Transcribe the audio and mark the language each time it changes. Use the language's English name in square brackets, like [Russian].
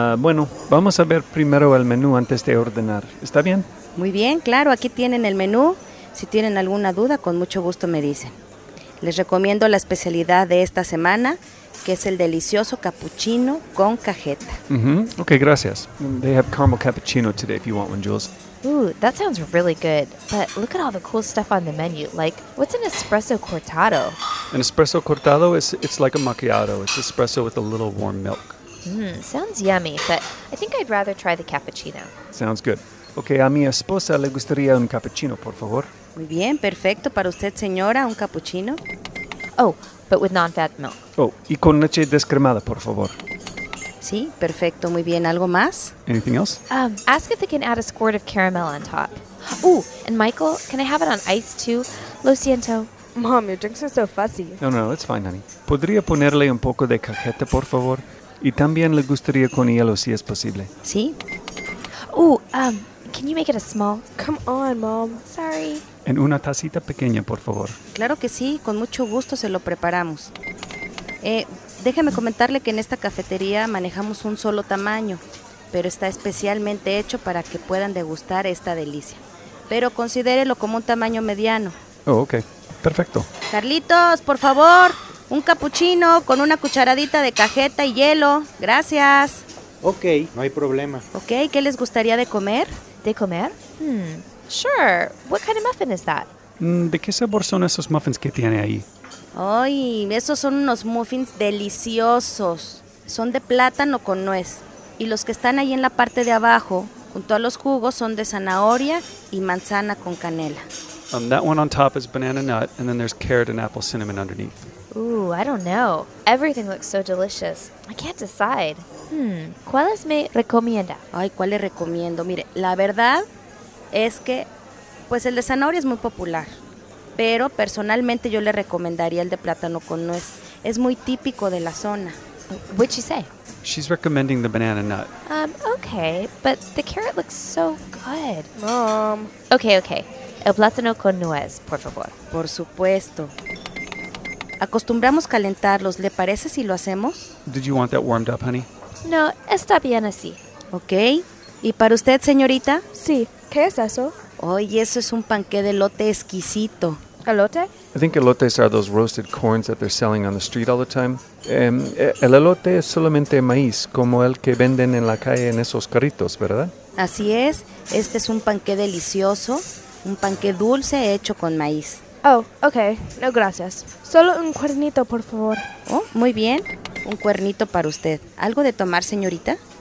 [Spanish] Bueno, vamos a ver primero el menú antes de ordenar. ¿Está bien? Muy bien, claro. Aquí tienen el menú. Si tienen alguna duda, con mucho gusto me dicen. Les recomiendo la especialidad de esta semana, que es el delicioso cappuccino con cajeta. Ok, gracias. [English] They have caramel cappuccino today if you want one, Jules. Ooh, that sounds really good. But look at all the cool stuff on the menu. Like, what's an espresso cortado? An espresso cortado is like a macchiato. It's espresso with a little warm milk. Sounds yummy, but I think I'd rather try the cappuccino. Sounds good. [Spanish] Okay, a mi esposa le gustaría un cappuccino, por favor. Muy bien, perfecto. Para usted, señora, un cappuccino. [English] Oh, but with non-fat milk. [Spanish] Oh, y con leche descremada, por favor. Sí, perfecto. Muy bien. ¿Algo más? [English] Anything else? Ask if they can add a squirt of caramel on top. Ooh, and Michael, can I have it on ice too? [Spanish] Lo siento. [English] Mom, your drinks are so fussy. No, it's fine, honey. [Spanish] ¿Podría ponerle un poco de cajeta, por favor? Y también le gustaría con hielo, si es posible. Sí. [English] Ooh, can you make it a small? Come on, Mom. Sorry. [Spanish] En una tacita pequeña, por favor. Claro que sí. Con mucho gusto se lo preparamos. Déjeme comentarle que en esta cafetería manejamos un solo tamaño, pero está especialmente hecho para que puedan degustar esta delicia. Pero considérelo como un tamaño mediano. Oh, ok. Perfecto. Carlitos, por favor, un cappuccino con una cucharadita de cajeta y hielo. Gracias. Ok, no hay problema. Ok, ¿qué les gustaría de comer? ¿De comer? [English] Sure. What kind of muffin is that? [Spanish] ¿De qué sabor son esos muffins que tiene ahí? ¡Ay! Esos son unos muffins deliciosos. Son de plátano con nuez. Y los que están ahí en la parte de abajo, junto a los jugos, son de zanahoria y manzana con canela. [English] That one on top is banana nut, and then there's carrot and apple cinnamon underneath. Ooh, I don't know. Everything looks so delicious. I can't decide. [Spanish] ¿Cuáles me recomienda? ¡Ay! ¿Cuál le recomiendo? Mire, la verdad es que, pues el de zanahoria es muy popular. Pero personalmente yo le recomendaría el de plátano con nuez. Es muy típico de la zona. [English] What'd she say? She's recommending the banana nut. Okay, but the carrot looks so good. Mom. [Spanish] Okay. El plátano con nuez, por favor. Por supuesto. Acostumbramos calentarlos. ¿Le parece si lo hacemos? [English] Did you want that warmed up, honey? [Spanish] No, está bien así. Okay. ¿Y para usted, señorita? Sí. ¿Qué es eso? Oye, eso es un panqué de elote exquisito. ¿Elote? [English] I think elotes are those roasted corns that they're selling on the street all the time. [Spanish] El elote es solamente maíz, como el que venden en la calle en esos carritos, ¿verdad? Así es. Este es un panqué delicioso, un panqué dulce hecho con maíz. Oh, okay. No, gracias. Solo un cuernito, por favor. Oh, muy bien. Un cuernito para usted. ¿Algo de tomar, señorita?